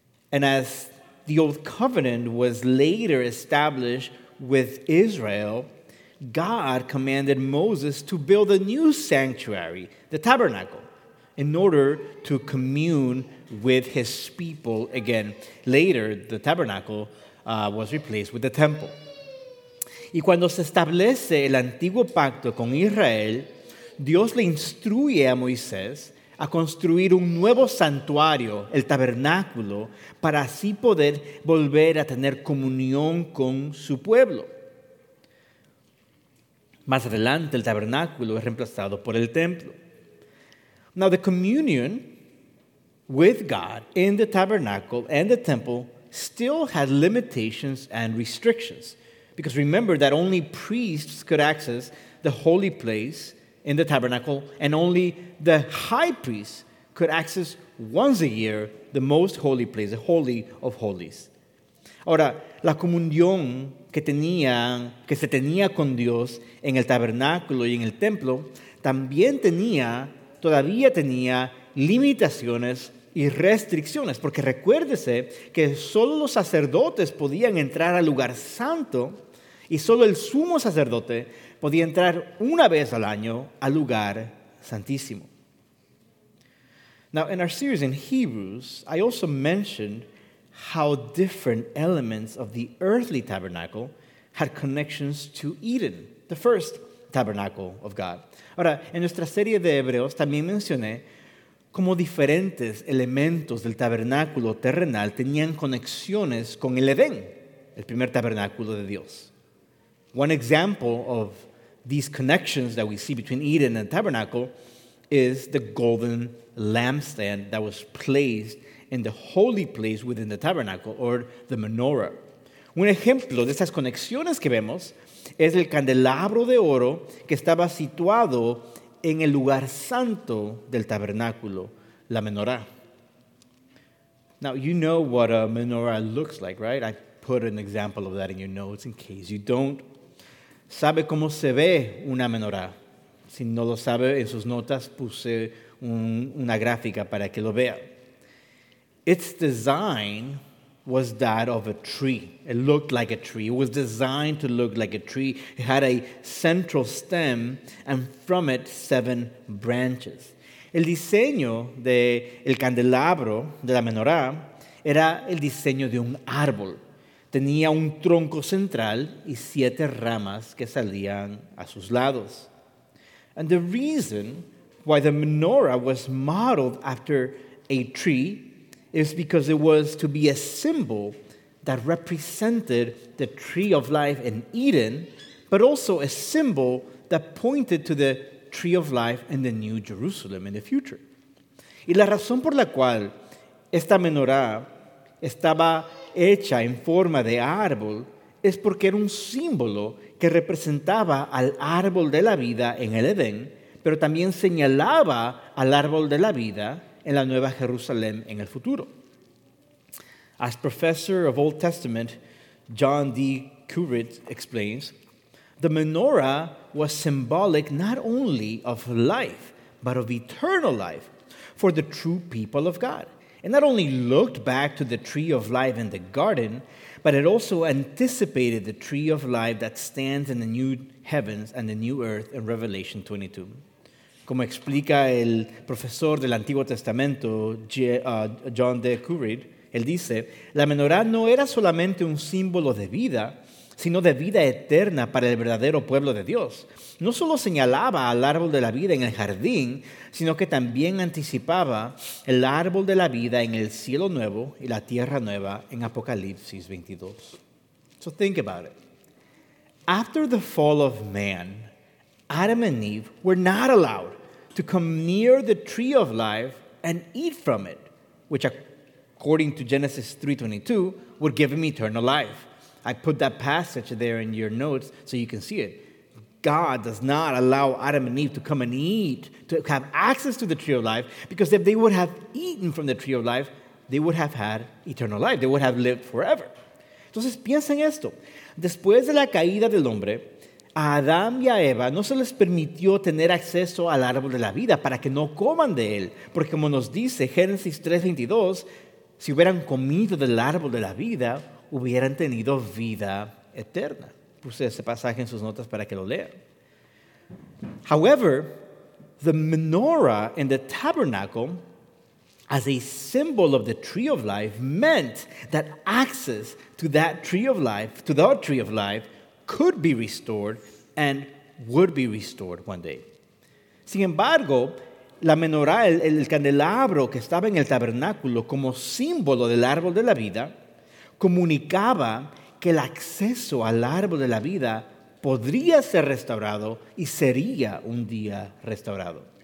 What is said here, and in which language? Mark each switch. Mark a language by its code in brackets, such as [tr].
[en] And as the old covenant was later established with Israel, God commanded Moses to build a new sanctuary, the tabernacle, in order to commune with his people again. Later, the tabernacle was replaced with the temple. [es] Y cuando se establece el antiguo pacto con Israel, Dios le instruye a Moisés a construir un nuevo santuario, el tabernáculo, para así poder volver a tener comunión con su pueblo. Más adelante, el tabernáculo es reemplazado por el templo. [en] Now, the communion with God in the tabernacle and the temple still had limitations and restrictions. Because remember that only priests could access the holy place in the tabernacle, and only the high priest could access once a year the most holy place, the Holy of Holies. [es] Ahora, la comunión que se tenía con Dios en el tabernáculo y en el templo, también tenía, todavía tenía limitaciones y restricciones, porque recuérdese que solo los sacerdotes podían entrar al lugar santo y solo el sumo sacerdote podía entrar una vez al año al lugar santísimo. [en] Now, in our series in Hebrews, I also mentioned how different elements of the earthly tabernacle had connections to Eden, the first tabernacle of God. [es] Ahora, en nuestra serie de Hebreos también mencioné cómo diferentes elementos del tabernáculo terrenal tenían conexiones con el Edén, el primer tabernáculo de Dios. [en] One example of these connections that we see between Eden and the tabernacle is the golden lampstand that was placed in the holy place within the tabernacle, or the menorah. [es] Un ejemplo de estas conexiones que vemos es el candelabro de oro que estaba situado en el lugar santo del tabernáculo, la menorah. [en] Now, you know what a menorah looks like, right? I put an example of that in your notes in case you don't. [es] ¿Sabe cómo se ve una menorah? Si no lo sabe, en sus notas puse una gráfica para que lo vea. [en] Its design was that of a tree. It looked like a tree. It was designed to look like a tree. It had a central stem, and from it, seven branches. [es] El diseño de el candelabro de la menorá era el diseño de un árbol. Tenía un tronco central y siete ramas que salían a sus lados. [en] And the reason why the menorah was modeled after a tree is because it was to be a symbol that represented the tree of life in Eden, but also a symbol that pointed to the tree of life in the New Jerusalem in the future. [es] Y la razón por la cual esta menorah estaba hecha en forma de árbol es porque era un símbolo que representaba al árbol de la vida en el Edén, pero también señalaba al árbol de la vida en la Nueva Jerusalén en el futuro. [en] As professor of Old Testament John D. Currit explains, the menorah was symbolic not only of life, but of eternal life for the true people of God. It not only looked back to the tree of life in the garden, but it also anticipated the tree of life that stands in the new heavens and the new earth in Revelation 22. [es] Como explica el profesor del Antiguo Testamento, John D. Currit, él dice, la menorá no era solamente un símbolo de vida, sino de vida eterna para el verdadero pueblo de Dios. No solo señalaba al árbol de la vida en el jardín, sino que también anticipaba el árbol de la vida en el cielo nuevo y la tierra nueva en Apocalipsis 22. [en] So think about it. After the fall of man, Adam and Eve were not allowed to come near the tree of life and eat from it, which according to Genesis 3:22 would give him eternal life. I put that passage there in your notes so you can see it. God does not allow Adam and Eve to come and eat, to have access to the tree of life, because if they would have eaten from the tree of life, they would have had eternal life. They would have lived forever. [es] Entonces, piensa en esto. Después de la caída del hombre, a Adán y a Eva no se les permitió tener acceso al árbol de la vida para que no coman de él. Porque como nos dice Génesis 3:22, si hubieran comido del árbol de la vida, hubieran tenido vida eterna. Puse ese pasaje en sus notas para que lo lean. [en] However, the menorah in the tabernacle as a symbol of the tree of life meant that access to that tree of life, to the tree of life, could be restored and would be restored one day. [es] Sin embargo, la menorá, el candelabro que estaba en el tabernáculo como símbolo del árbol de la vida, comunicaba que el acceso al árbol de la vida podría ser restaurado y sería un día restaurado.